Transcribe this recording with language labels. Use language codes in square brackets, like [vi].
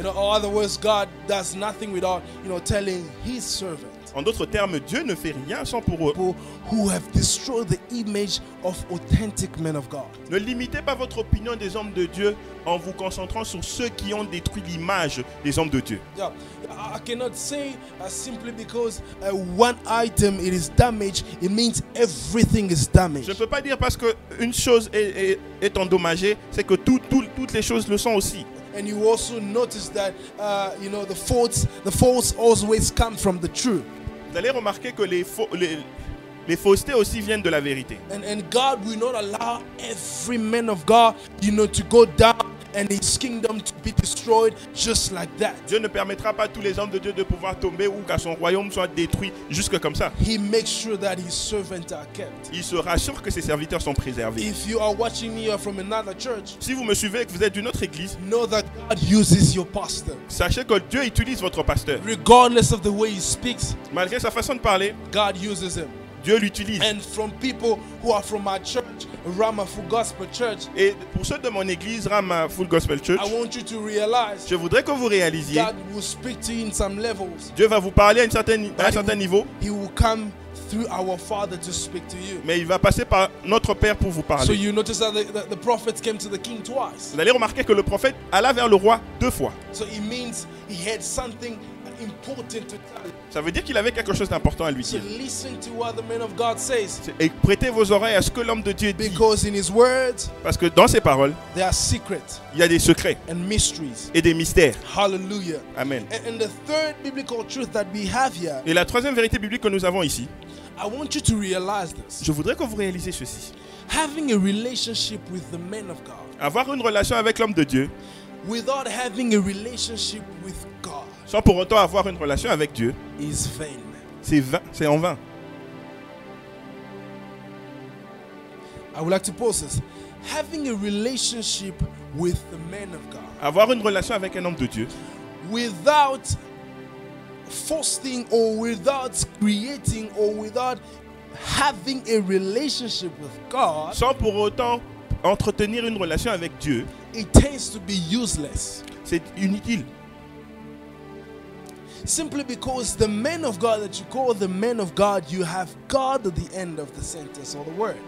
[en] In other words, God does nothing without, you know, telling his servant. [fr] En d'autres termes, Dieu ne fait rien sans pour eux. [en] People who have destroyed the image of authentic men of God. [fr] Ne limitez pas votre opinion des hommes de Dieu en vous concentrant sur ceux qui ont détruit l'image des hommes de Dieu. [en] Yeah. I cannot say simply because one item it is damaged, it means everything is damaged. [fr] Je ne peux pas dire parce que une chose est endommagée, c'est que toutes les choses le sont aussi. [en] And you also notice that you know the faults always come from the truth. [fr] Vous allez remarquer que les faussetés aussi viennent de la vérité. [en] And God will not allow every man of God, you know, to go down and his kingdom to be destroyed just like that. [fr] Dieu ne permettra pas tous les hommes de Dieu de pouvoir tomber ou que son royaume soit détruit jusque comme ça. [en] He makes sure that his servants are kept. [fr] Il se rassure que ses serviteurs sont préservés. [en] If you are watching me from another church, [fr] si vous me suivez et que vous êtes d'une autre église, [en] know that God uses your pastor. [fr] Sachez que Dieu utilise votre pasteur. [en] Regardless of the way he speaks, [fr] malgré sa façon de parler, [en] God uses him. [fr] Dieu l'utilise. [en] And from people who are from my church, Ramaful Gospel Church. [fr] Et pour ceux de mon église, Ramaful Gospel Church, [en] I want you to realize. [fr] Je voudrais que vous réalisiez. [en] God will speak to you in some levels. [fr] Dieu va vous parler à un certain niveau. [en] He will come through our Father to speak to you. [fr] Mais il va passer par notre Père pour vous parler. [en] So you notice that the prophet came to the king twice. [fr] Vous allez remarquer que le prophète alla vers le roi deux fois. [en] So it means he had something important to tell. [fr] Ça veut dire qu'il avait quelque chose d'important à lui dire. [en] So listen to what the man of God says. [fr] Et prêtez vos oreilles à ce que l'homme de Dieu dit. [en] Because in his words, [fr] parce que dans ses paroles, [en] there are secrets, [fr] il y a des secrets [en] and mysteries, [fr] et des mystères. Hallelujah. Amen. [en] And the third biblical truth that we have here, [fr] et la troisième vérité biblique que nous avons ici, [en] I want you to realize this. [fr] Je voudrais que vous réalisiez ceci. [en] Having a relationship with the man of God, [fr] avoir une relation avec l'homme de Dieu, [en] without having a relationship with God, [fr] sans pour autant avoir une relation avec Dieu, [en] is vain. [fr] C'est en vain. [en] I would like to pause this. Having a relationship with the man of God, [fr] avoir une relation avec un homme de Dieu, [en] without fasting or without creating or without having a relationship with God, [fr] sans pour autant entretenir une relation avec Dieu, [en] it tends to be useless. [fr] C'est inutile. [en] Simply because the man of God that you call the man of God, you have God at the end of the sentence or the word.